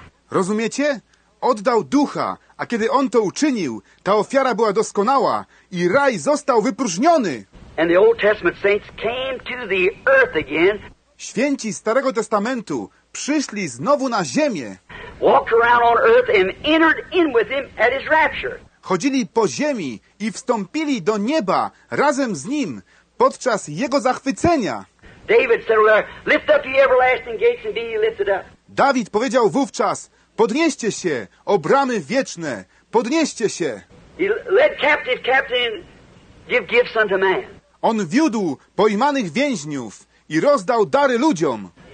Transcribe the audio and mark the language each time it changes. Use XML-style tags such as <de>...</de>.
<pl>Rozumiecie? Oddał ducha, a kiedy on to uczynił, ta ofiara była doskonała i raj został wypróżniony.</pl> <en>And the Old Testament saints came to the earth again.</en> <pl>Święci Starego Testamentu przyszli znowu na ziemię.</pl> <en>Walked around on earth and entered in with him at his rapture.</en> <pl>Chodzili po ziemi i wstąpili do nieba razem z nim podczas jego zachwycenia.</pl> <en>David said, "Lift up the everlasting gates and be ye lifted up."</en> <pl>Dawid powiedział wówczas: "Podnieście się, o bramy wieczne, podnieście się."</pl> <en>He led captive captain, give gifts unto man.</en> <pl>On wiódł pojmanych więźniów i rozdał dary ludziom.</pl>